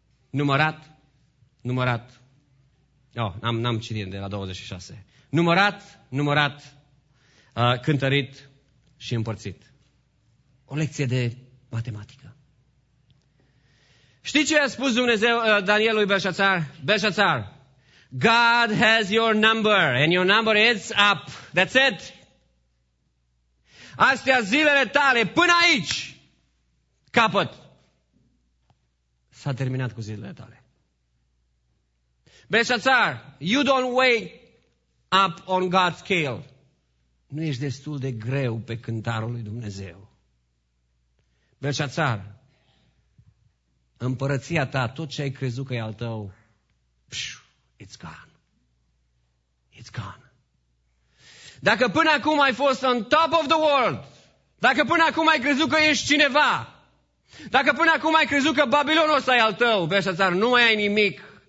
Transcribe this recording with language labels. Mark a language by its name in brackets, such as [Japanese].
[Romanian] Numărat. N-am citit de la 26. Numărat. Cântărit și împărțit. O lecție de matematică. Știi ce a spus Dumnezeu Daniel lui Belșațar? [English] Belșațar, God has your number and your number is up. That's it. [Romanian] Astea zilele tale, până aici, capăt. S-a terminat cu zilele tale. [English] Belșațar, you don't wait up on God's scale. [Romanian] Nu ești destul de greu pe cântarul lui Dumnezeu. Belșațar, împărăția ta, tot ce ai crezut că e al tău, [English] it's gone. It's gone. [Romanian] Dacă până acum ai fost [English] on top of the world, [Romanian] dacă până acum ai crezut că ești cineva, dacă până acum ai crezut că Babilonul ăsta e al tău, Belșațar, nu mai ai nimic.